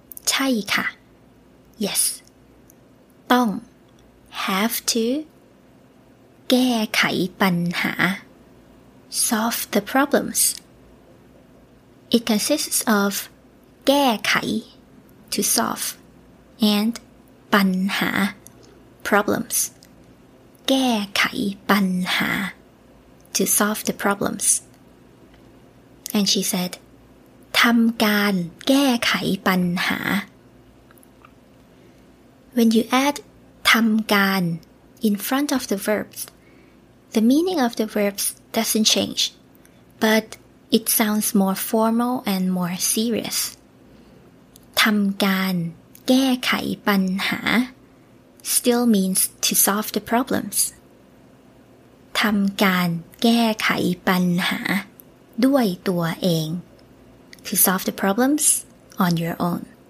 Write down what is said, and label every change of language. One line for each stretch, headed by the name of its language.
English: ใช่ค่ะ yes ต้อง have to แก้ไขปัญหา solve the problems it consists of แก้ไข to solve and ปัญหา problems แก้ไขปัญหาto solve the problems. And she said, ทำการแก้ไขปัญหา. When you add ทำการ in front of the verbs, the meaning of the verbs doesn't change, but it sounds more formal and more serious. ทำการแก้ไขปัญหา still means to solve the problems.
Thai: ทำการแก้ไขปัญหาด้วยตัวเอง
English: to solve the problems on your own